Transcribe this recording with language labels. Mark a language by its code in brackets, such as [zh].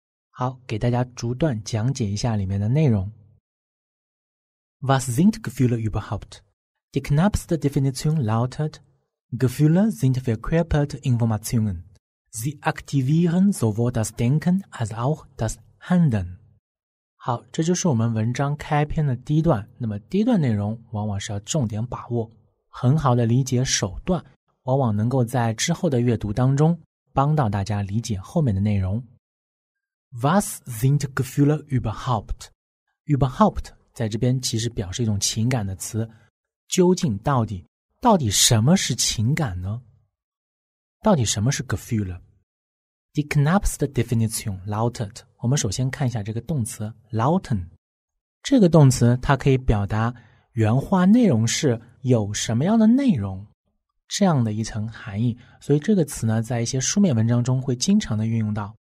[zh] 好，给大家逐段讲解一下里面的内容。 [de] Was sind Gefühle überhaupt? Die knappste Definition lautet, Gefühle sind verkörperte Informationen. Sie aktivieren sowohl das Denken als auch das Handeln. [zh] 好，这就是我们文章开篇的第一段。那么第一段内容往往是要重点把握，很好的理解首段，往往能够在之后的阅读当中帮到大家理解后面的内容。 [de] Was sind Gefühle überhaupt? [zh] Überhaupt 在这边其实表示一种情感的词，究竟到底什么是情感呢？到底什么是 Gefühle? [de] Die knappste Definition lautet， [zh] 我们首先看一下这个动词 lauten， 这个动词它可以表达原话内容是有什么样的内容，这样的一层含义，所以这个词呢在一些书面文章中会经常的运用到。